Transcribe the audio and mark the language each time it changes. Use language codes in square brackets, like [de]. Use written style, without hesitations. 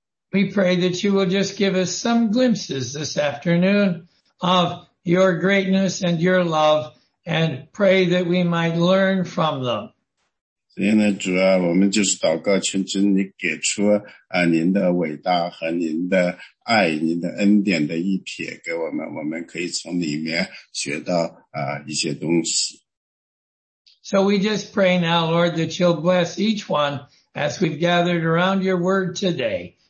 [en] we pray that you will just give us some glimpses this afternoon of your greatness and your love, and pray that we might learn from them. [zh] 所以呢，主啊，我们就是祷告，求主你给出啊您的伟大和您的爱、您的恩典的一瞥给我们，我们可以从里面学到啊一些东西。So [en] we just pray now, Lord, that you'll bless each one as we've gathered around your word today.